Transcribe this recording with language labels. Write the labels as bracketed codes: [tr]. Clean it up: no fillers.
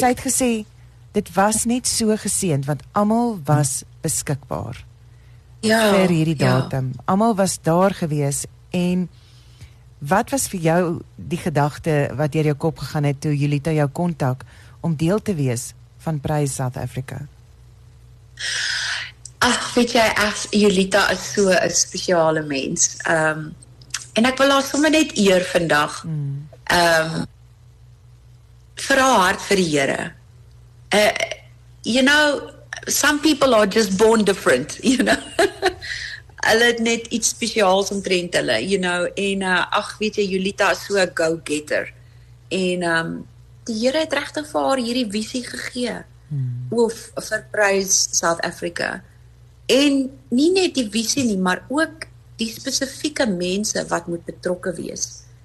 [af] Sy het gesê, dit was net so geseend, want almal was beskikbaar, vir hierdie datum, almal was daar gewees, en wat was vir jou die gedagte, wat deur jou kop gegaan het, toe Julita jou kontak, om deel te wees van Praise South Africa? Ach, weet jy, Julita is so 'n spesiale mens. En ek wil haar sommer net eer vandag. Vir haar hart vir die Here. [en] You know, some people are just born different, you know. [af] Hulle het net iets spesiaals omtrent hulle, [en] you know. [af] En ach, weet jy, Julita is so 'n go-getter. En die Here het regtig vir haar hierdie visie gegee of vir Praise South Africa. En nie net die visie nie, maar ook die spesifieke mense wat moet betrokke wees.